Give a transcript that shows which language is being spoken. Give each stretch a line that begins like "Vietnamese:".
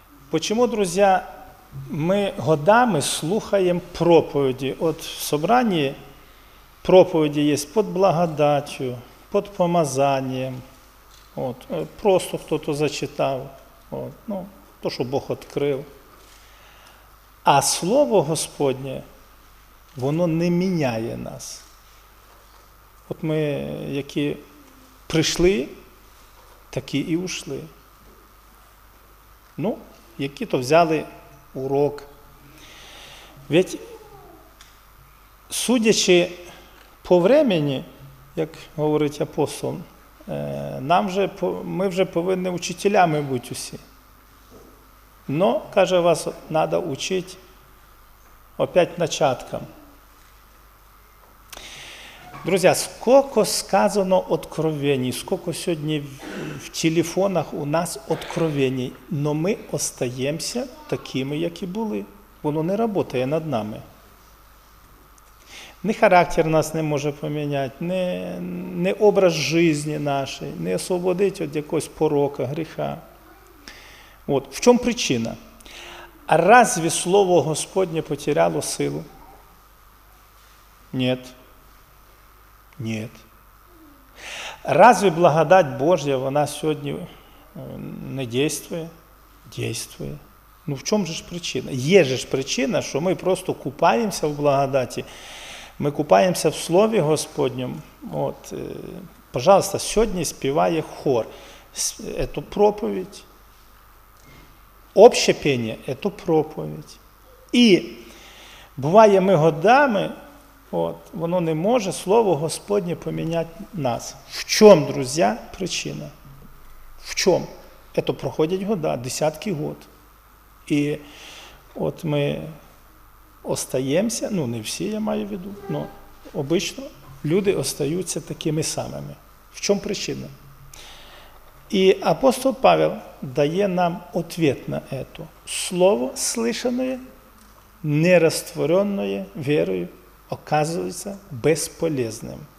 Russian: Почему, друзья, мы годами слушаем проповеди? От в собрании проповеди есть под благодатью, под помазанием. От, просто кто-то зачитал. От, ну, то, что Бог открыл.
Ukrainian: А Слово Господне, воно не меняє нас. От мы, які прийшли, такі і ушли. Ну, які-то взяли урок. Ведь, судячи по времени, як говорить апостол, нам вже, ми вже повинні учителями бути усі. Но, каже, вас треба учити опять початкам. Друзі, скільки сказано откровений, скільки сьогодні в телефонах у нас откровений, но ми остаємося такими, як і були. Воно не працює над нами. Ні характер нас не може поміняти, ні образ житті нашої, не освободить від якогось порока, гріха. От. В чому причина?
Russian: Разве Слово Господнє потеряло силу?
Ukrainian: Ні.
Russian: Нет. Разве благодать Божья, она сегодня не действует? Действует. Ну в чем же причина? Есть же причина, что мы просто купаемся в благодати. Мы купаемся в Слове Господнем. Вот, пожалуйста, сегодня
Ukrainian: співає хор.
Russian: Это проповедь. Общее пение – это проповедь. И бывает, мы годами...
Ukrainian: От, воно не може Слово Господнє поміняти нас. В чому, друзі, причина? В чому? Це проходять года, десятки год. І от ми остаємося, ну не всі, я маю в виду, але обично люди остаються такими самими. В чому причина? І апостол Павел дає нам відповідь на це.
Russian: Слово слышаное, нерастворенное верою, оказывается безполезным.